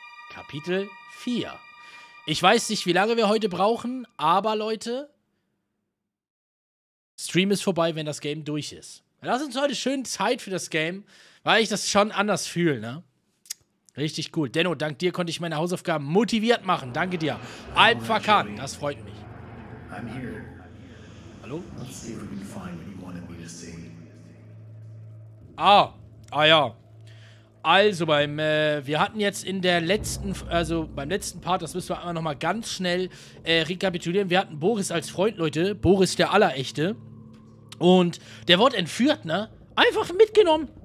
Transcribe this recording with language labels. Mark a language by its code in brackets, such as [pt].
[de] Kapitel 4. Ich weiß nicht, wie lange wir heute brauchen, aber Leute, Stream ist vorbei, wenn das Game durch ist. Lass uns heute schön Zeit für das Game, weil ich das schon anders fühle, ne? Richtig cool. Denno, dank dir konnte ich meine Hausaufgaben motiviert machen. Danke dir. Alp Fakan, das freut mich. [en] I'm here. [de] Hallo? [en] Let's see if we can find what you wanted me to see. [de] Ah ja. Also wir hatten jetzt in der letzten, also beim letzten Part, das müssen wir einmal nochmal ganz schnell rekapitulieren. Wir hatten Boris als Freund, Leute. Boris der Allerechte. Und der wurde entführt, ne? Einfach mitgenommen.